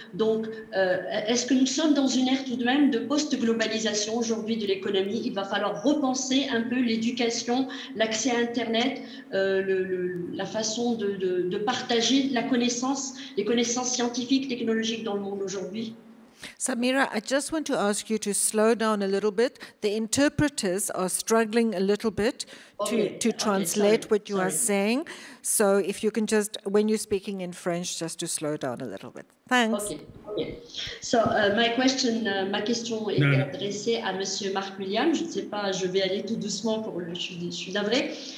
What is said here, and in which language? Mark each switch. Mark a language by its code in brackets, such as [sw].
[fr] Donc, est-ce que nous sommes dans une ère tout de même de post-globalisation aujourd'hui de l'économie? Il va falloir repenser un peu l'éducation, l'accès à Internet, la façon de partager la connaissance, les connaissances scientifiques, technologiques dans le monde aujourd'hui. [en] Samira, I just want to ask you to slow down a little bit. The interpreters are struggling a little bit to translate what you are saying. So if you can just, when you're speaking in French, just to slow down a little bit. Thanks. Okay. [fr] So ma question est adressée à Monsieur Mark Williams. Je ne sais pas, je vais aller tout doucement pour le je suis navrée.